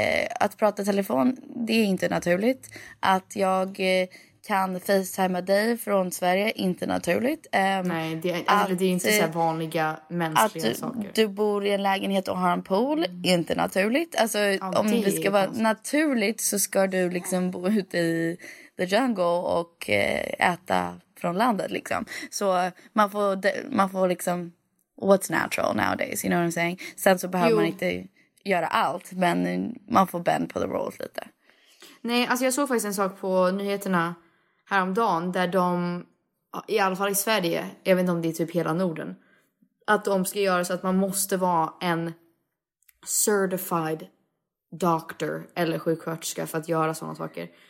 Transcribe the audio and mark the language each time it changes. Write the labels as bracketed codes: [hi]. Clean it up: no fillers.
[sv] Att prata telefon, det är inte naturligt. Att jag kan facetimea dig från Sverige, inte naturligt. Nej, det är inte så här vanliga mänskliga att saker. Att du bor i en lägenhet och har en pool, inte naturligt. Alltså, ja, om det ska vara naturligt så ska du liksom bo ute i the jungle och äta från landet liksom. Så man får liksom, [en] what's natural nowadays, you know what I'm saying? [sv] Sen så behöver man inte göra allt, men man får bend på the rules lite. Nej, alltså jag såg faktiskt en sak på nyheterna häromdagen där de, i alla fall i Sverige, jag vet inte om det är typ hela Norden, att de ska göra så att man måste vara en certified doctor eller sjuksköterska för att göra sådana saker.